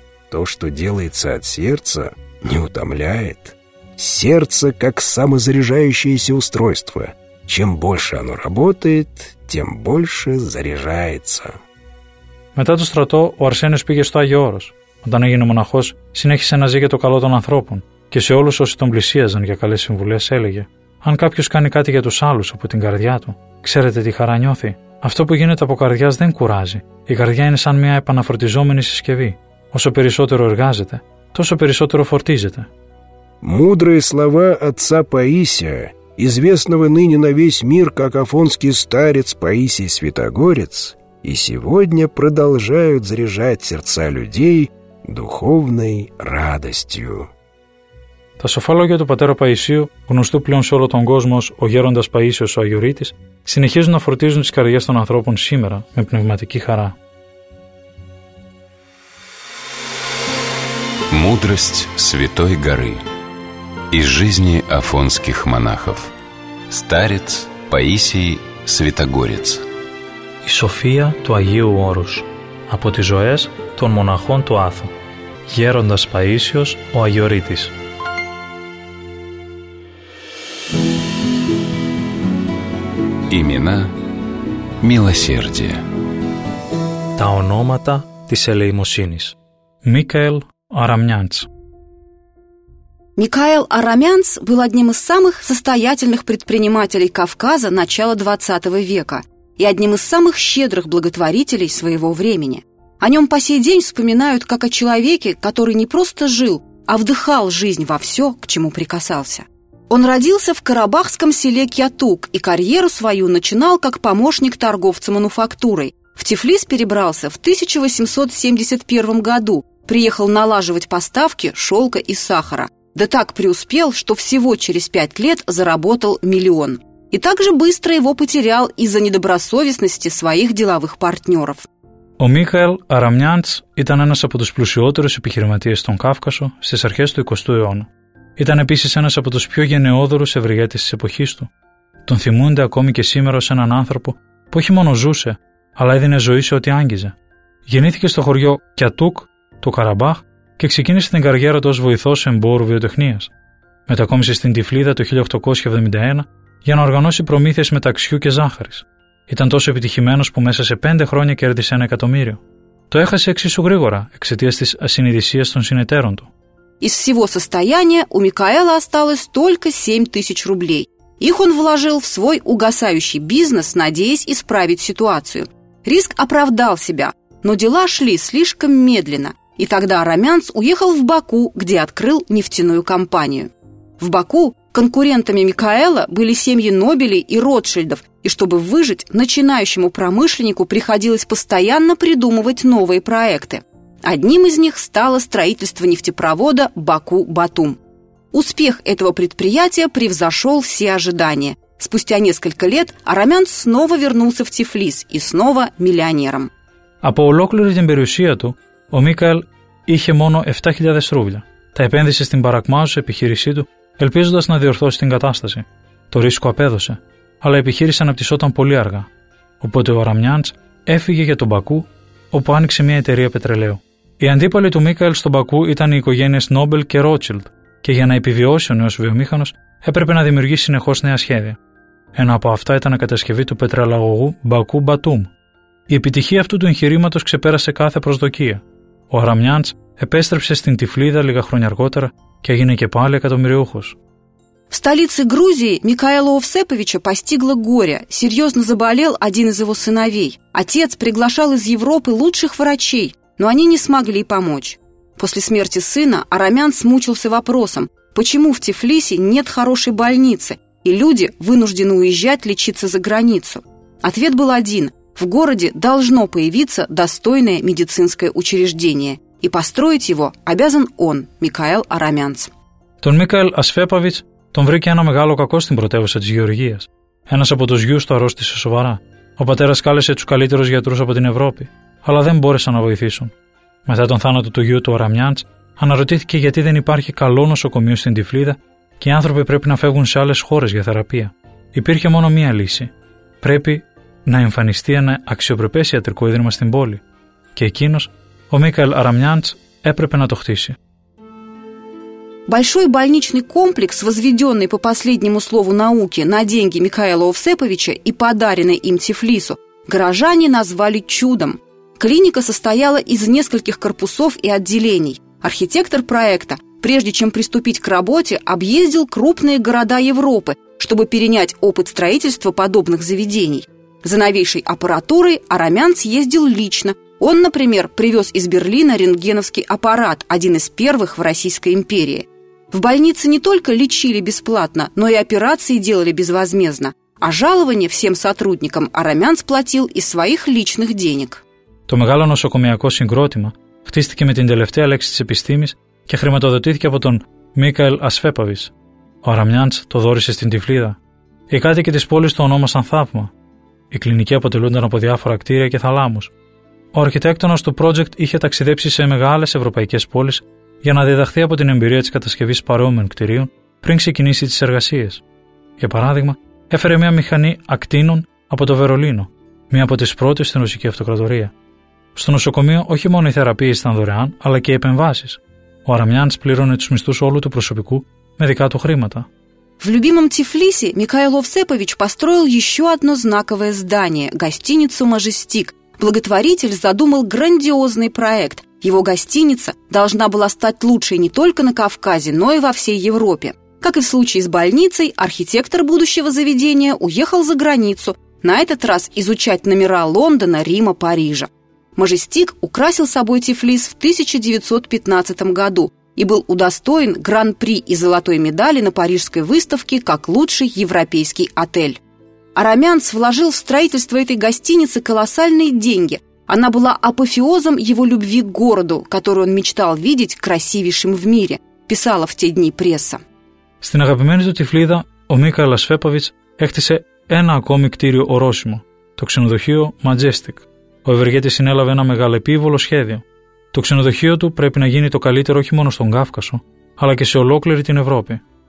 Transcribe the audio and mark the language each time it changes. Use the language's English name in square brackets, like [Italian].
[Russian] То, что делается от сердца, не утомляет. Сердце как самозаряжающееся устройство. Чем больше оно работает, тем больше заряжается». [Greek] Μετά το στρατό, ο Αρσένιος πήγε στο Άγιο Όρος. Όταν έγινε μοναχός, συνέχισε να ζει για το καλό των ανθρώπων και σε όλους όσοι τον πλησίαζαν για καλές συμβουλές έλεγε: «Αν κάποιος κάνει κάτι για τους άλλους από την καρδιά του, ξέρετε τι χαρά νιώθει. Αυτό που γίνεται από καρδιάς δεν κουράζει. Η καρδιά είναι σαν μια επαναφορτιζόμενη συσκευή. Όσο περισσότερο εργάζεται, τόσο περισσότερο φορτίζεται». [Russian] Μούδρые слова отца Паисия, известного ныне на весь мир как Афонский старец Паисий Святогорец, и сегодня продолжают заряжать сердца людей духовной радостью. [Greek] Τα σοφά λόγια του πατέρα Παϊσίου, γνωστού πλέον σε όλο τον κόσμο ως ο γέροντας Παϊσίος ο Αγιορείτης, συνεχίζουν να φορτίζουν τις καρδιές των ανθρώπων σήμερα με πνευματική χαρά. [Russian] Мудрость Святой Горы из жизни афонских монахов. Старец Паисий Святогорец. [Greek] Η σοφία του Αγίου Όρους από τις ζωές των μοναχών του Άθου. Γέροντας Παΐσιος ο Αγιορείτης. [Russian] Имена милосердия. [Greek] Τα ονόματα της ελεημοσύνης. Μίκαελ Αραμιάντς. [Russian] Микаэл Арамянц был одним из самых состоятельных предпринимателей Кавказа начала 20 века и одним из самых щедрых благотворителей своего времени. О нем по сей день вспоминают как о человеке, который не просто жил, а вдыхал жизнь во все, к чему прикасался. Он родился в карабахском селе Кьятук и карьеру свою начинал как помощник торговца мануфактурой. В Тифлис перебрался в 1871 году, приехал налаживать поставки шелка и сахара. Да так преуспел, что всего через 5 лет заработал 1 000 000. И также быстро его потерял из-за недобросовестности своих деловых партнеров. [Greek] Ο Михаил Арамянц ήταν ένας από τους πλουσιότερους επιχειρηματίες στον Κάφκασο στις αρχές του 20ου αιώνα. Ήταν επίσης ένας από τους πιο γενναιόδωρους ευεργέτες της εποχής του. Τον θυμούνται ακόμη και σήμερα ως έναν άνθρωπο που όχι μόνο ζούσε, αλλά έδινε ζωή σε ό,τι άγγιζε. Γεννήθηκε στο χωριό Κιατούκ του Καραμπάχ και ξεκίνησε την καριέρα του ως βοηθός εμπόρου βιοτεχνίας. Μετακόμισε στην Τυφλίδα το 1871 για να οργανώσει προμήθειες μεταξιού και ζάχαρης. Ήταν τόσο επιτυχημένος που μέσα σε 5 χρόνια κέρδισε 1 εκατομμύριο. Το έχασε εξίσου γρήγορα εξαιτίας της ασυνειδησίας των συνεταίρων του. [Russian] Из всего состояния у Микаэла осталось только 7 000 рублей. Их он вложил в свой угасающий бизнес, надеясь исправить ситуацию. Риск оправдал себя, но дела шли слишком медленно. И тогда Арамянц уехал в Баку, где открыл нефтяную компанию. В Баку конкурентами Микаэла были семьи Нобелей и Ротшильдов, и чтобы выжить, начинающему промышленнику приходилось постоянно придумывать новые проекты. Одним из них стало строительство нефтепровода «Баку-Батум». Успех этого предприятия превзошел все ожидания. Спустя несколько лет Арамянц снова вернулся в Тифлис и снова миллионером. А по [Greek] ολόκληρη την περιουσία του, ο Μίκαελ είχε μόνο 7.000 ρούβλια. Τα επένδυσε στην παρακμάζουσα επιχείρησή του, ελπίζοντας να διορθώσει την κατάσταση. Το ρίσκο απέδωσε, αλλά η επιχείρηση αναπτυσσόταν πολύ αργά. Οπότε ο Αραμιάντς έφυγε για τον Μπακού, όπου άνοιξε μια εταιρεία πετρελαίου. Οι αντίπαλοι του Μίκαελ στον Μπακού ήταν οι οικογένειες Νόμπελ και Ρότσιλντ, και για να επιβιώσει ο νέος βιομήχανος έπρεπε να δημιουργήσει συνεχώς νέα σχέδια. Ένα από αυτά ήταν η κατασκευή του πετρελαγωγού Μπακού Μπατούμ. Η επιτυχία αυτού του εγχειρήματος ξεπέρασε κάθε προσδοκία. Ο Αραμιάντς επέστρεψε στην Τυφλίδα λίγα χρόνια αργότερα και έγινε και πάλι εκατομμυριούχος. [Russian] В столице Грузии Микаэла Овсеповича постигло горе. Серьезно заболел один из его сыновей. Отец приглашал из Европы лучших врачей, но они не смогли помочь. После смерти сына Арамянц мучился вопросом, почему в Тифлисе нет хорошей больницы, и люди вынуждены уезжать лечиться за границу. Ответ был один – в городе должно появиться достойное медицинское учреждение, и построить его обязан он, Микаэл Арамянц. [Greek] Тон Микаэл Асфепович Τον βρήκε ένα μεγάλο κακό στην πρωτεύουσα της Γεωργίας. Ένας από τους γιους του αρρώστησε σοβαρά. Ο πατέρας κάλεσε τους καλύτερους γιατρούς από την Ευρώπη, αλλά δεν μπόρεσαν να βοηθήσουν. Μετά τον θάνατο του γιου του Αραμιάντς, αναρωτήθηκε γιατί δεν υπάρχει καλό νοσοκομείο στην Τυφλίδα και οι άνθρωποι πρέπει να φεύγουν σε άλλες χώρες για θεραπεία. Υπήρχε μόνο μία λύση. Πρέπει να εμφανιστεί ένα αξιοπρεπές ιατρικό ίδρυμα στην πόλη. Και εκείνος, ο Μίκαελ Αραμιάντς, έπρεπε να το χτίσει. [Russian] Большой больничный комплекс, возведенный по последнему слову науки на деньги Микаэла Овсеповича и подаренный им Тифлису, горожане назвали чудом. Клиника состояла из нескольких корпусов и отделений. Архитектор проекта, прежде чем приступить к работе, объездил крупные города Европы, чтобы перенять опыт строительства подобных заведений. За новейшей аппаратурой Арамянц ездил лично. Он, например, привез из Берлина рентгеновский аппарат, один из первых в Российской империи. В больнице не только лечили бесплатно, но и операции делали безвозмездно. А жалование всем сотрудникам Арамянц платил из своих личных денег. [Greek] Το μεγάλο νοσοκομειακό συγκρότημα χτίστηκε με την τελευταία λέξη της επιστήμης και χρηματοδοτήθηκε από τον Μίκαελ Ασφέπαβης. Ο Αραμιάντς το δόρισε στην Τυφλίδα. Οι κάτοικοι της πόλης το ονόμασαν θαύμα. Οι κλινικοί αποτελούνταν από διάφορα κτίρια και θαλάμους. Ο αρχιτέκτονας του project είχε ταξιδέψει σε μεγάλες ευρωπαϊκές πόλεις για να διδαχθεί από την εμπειρία της κατασκευής παρόμοιων κτιρίων πριν ξεκινήσει τις εργασίες. Για παράδειγμα, έφερε μια μηχανή ακτίνων από το Βερολίνο, μία από τις πρώτες στην Ρωσική Αυτοκρατορία. Στο νοσοκομείο, όχι μόνο οι θεραπείες ήταν δωρεάν, αλλά και οι επεμβάσεις. Ο Αραμιάντς πλήρωνε τους μισθούς όλου του προσωπικού με δικά του χρήματα. [Russian] В любимом Тифлисе Микаэл Овсепович построил еще одно знаковое здание – гостиницу «Мажестик». Благотворитель задумал грандиозный проект. Его гостиница должна была стать лучшей не только на Кавказе, но и во всей Европе. Как и в случае с больницей, архитектор будущего заведения уехал за границу, на этот раз изучать номера Лондона, Рима, Парижа. «Мажестик» украсил собой Тифлис в 1915 году – и был удостоен гран-при и золотой медали на Парижской выставке как лучший европейский отель. Арамянц вложил в строительство этой гостиницы колоссальные деньги. Она была апофеозом его любви к городу, который он мечтал видеть красивейшим в мире, писала в те дни пресса. [Greek] Στην αγαπημένη του Τυφλίδα, ο Μίκαελ Ασφέπαβιτς έκτισε ένα ακόμη κτίριο ορόσημο, το ξενοδοχείο Majestic. Ο ευεργέτης συνέλαβε ένα μεγαλεπίβολο σχέδιο. Το ξενοδοχείο του πρέπει να γίνει το καλύτερο όχι μόνο στον Κάφκασο, αλλά και σε ολόκληρη την Ευρώπη.